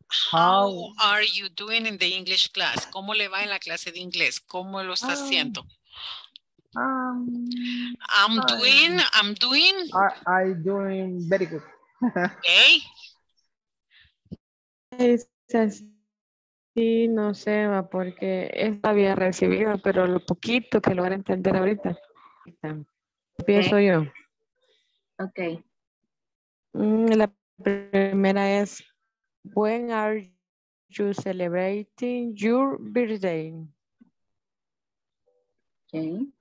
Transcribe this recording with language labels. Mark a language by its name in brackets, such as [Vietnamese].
[English] How are you doing in the English class? [Spanish] ¿Cómo le va en la clase de inglés? ¿Cómo lo está haciendo? [English] I'm doing very good. Okay. [Spanish] Es así, no sé, porque está bien recibido, pero lo poquito que lo van a entender ahorita. Empiezo yo. [English] Okay. [Spanish] La primera es, [English] when are you celebrating your birthday? Okay.